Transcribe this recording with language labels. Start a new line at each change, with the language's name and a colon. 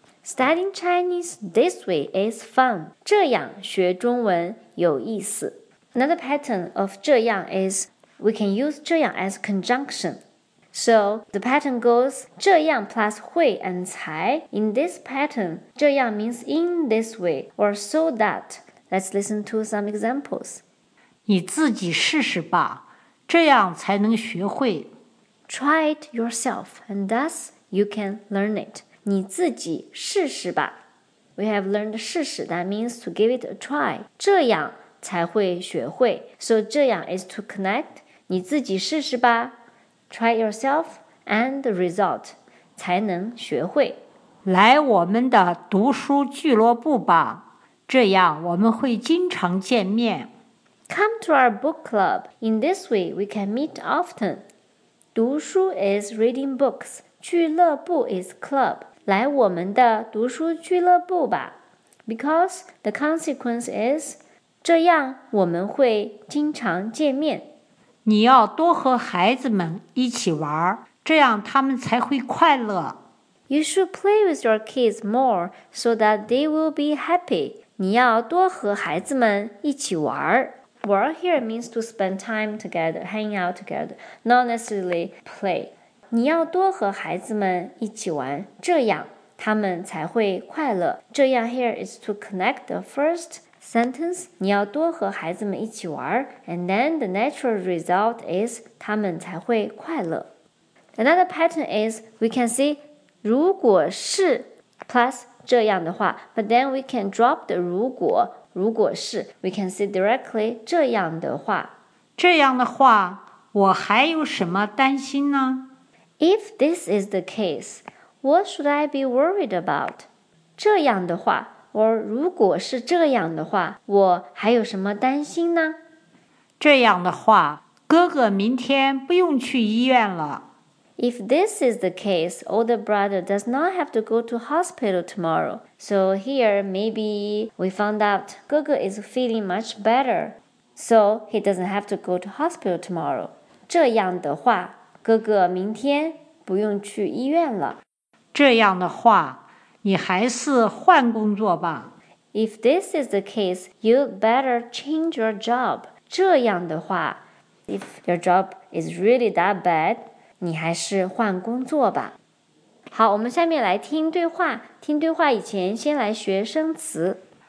English: Studying Chinese this way is fun.
Chinese: 这样学中文有意思。
English: Another pattern of 这样 is we can use 这样 as conjunction. So the pattern goes 这样 plus 会 and 才. In this pattern, 这样 means in this way or so that. Let's listen to some examples.
Chinese: 你自己试试吧，这样才能学会。
English: Try it yourself and thus you can learn it.
Chinese: 你自己试试吧。
English: We have learned 试试 that means to give it a try.
Chinese: 这样才会学会。
English: So 这样 is to connect.
Chinese: 你自己试试吧。
English: Try yourself and the result.
Chinese: 才能学会。来我们的读书俱乐部吧。这样我们会经常见面。
English: Come to our book club. In this way, we can meet often. 读书 is reading books. 俱乐部 is club.
Chinese: 来我们的读书俱乐部吧。
English: Because the consequence is,
Chinese: 这样我们会经常见面。你要多和孩子们一起玩，这样他们才会快乐。
English: You should play with your kids more so that they will be happy.
Chinese: 你要多和孩子们一起玩。
English: Wear here means to spend time together, hanging out together, not necessarily play.
Chinese: 你要多和孩子们一起玩，这样他们才会快乐。
English: 这样 here is to connect the first sentence.
Chinese: 你要多和孩子们一起玩
English: and then the natural result is
Chinese: 他们才会快乐。
English: Another pattern is we can say 如果是 plus 这样的话 but then we can drop the 如果。如果是 we can say directly 这样的话。
Chinese: 这样的话，我还有什么担心呢？
English: If this is the case, what should I be worried about?
Chinese: 这样的话 or 如果是这样的话我还有什么担心呢？这样的话哥哥明天不用去医院了。
English: If this is the case, older brother does not have to go to hospital tomorrow. So here, maybe we found out 哥哥 is feeling much better. So he doesn't have to go to hospital tomorrow.
Chinese: 这样的话哥哥明天不用去医院了。这样的话，你还是换工作吧。
English: If this is the case, you better change your job. 这样的话 ,if your job is really that bad,
Chinese: 你还是换工作吧。好，我们下面来听对话。听对话以前先来学生词。